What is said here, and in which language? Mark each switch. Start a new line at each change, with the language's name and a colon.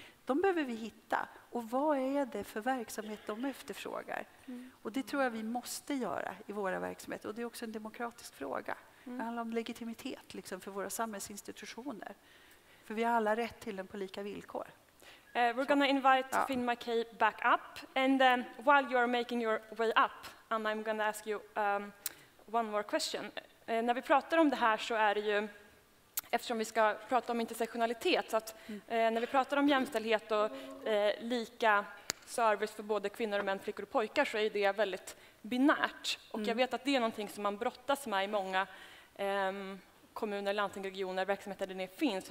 Swedish: De behöver vi hitta. Och vad är det för verksamhet de efterfrågar? Och det tror jag vi måste göra i våra verksamheter. Och det är också en demokratisk fråga. Det handlar om legitimitet liksom, för våra samhällsinstitutioner. För vi har alla rätt till den på lika villkor.
English: We're going to invite Finn McKay back up, and then while you're making your way up, and I'm going to ask you one more question.
Swedish: När vi pratar om det här så är det ju, eftersom vi ska prata om intersektionalitet, så att när vi pratar om jämställdhet och lika service för både kvinnor och män, flickor och pojkar, så är det väldigt binärt. Och jag vet att det är någonting som man brottas med i många kommuner, landsting, regioner, verksamheter där det finns.